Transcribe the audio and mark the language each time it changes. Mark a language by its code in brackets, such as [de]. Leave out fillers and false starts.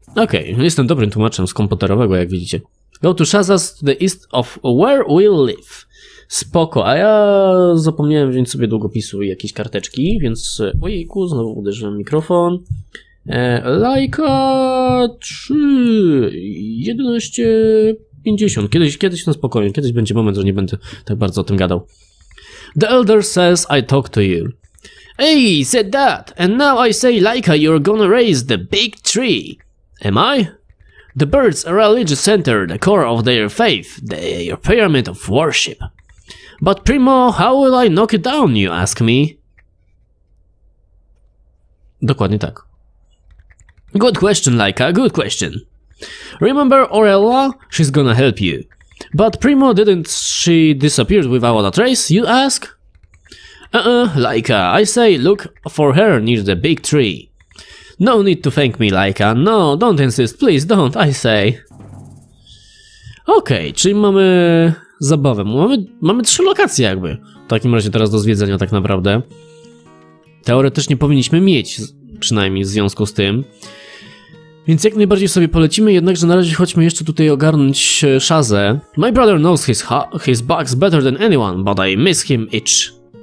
[pl] Okay, jestem dobrym tłumaczem z komputerowego, jak widzicie. [en] Go to Shaza's to the east of where we live. [pl] Spoko, a ja zapomniałem wziąć sobie długopisu i jakieś karteczki, więc... Ojejku, znowu uderzyłem mikrofon. Lajka 3.11.50. Kiedyś na spokojnie, kiedyś będzie moment, że nie będę tak bardzo o tym gadał. [en] The elder says I talk to you. Hey, said that! And now I say, Laika, you're gonna raise the big tree! Am I? The birds are a religious center, the core of their faith, their pyramid of worship. But Primo, how will I knock it down, you ask me? [pl] Dokładnie tak. [en] Good question, Laika, good question. Remember Orella? She's gonna help you. But Primo, didn't she disappear without a trace, you ask? Laika, I say, look for her near the big tree. No need to thank me, Laika. No, don't insist, please, don't, I say. [pl] Okej, okay, czyli mamy zabawę. Mamy 3 lokacje jakby. W takim razie teraz do zwiedzenia tak naprawdę. Teoretycznie powinniśmy mieć, przynajmniej w związku z tym. Więc jak najbardziej sobie polecimy, jednakże na razie chodźmy jeszcze tutaj ogarnąć Shazę. [en] My brother knows his bugs better than anyone, but I miss him itch.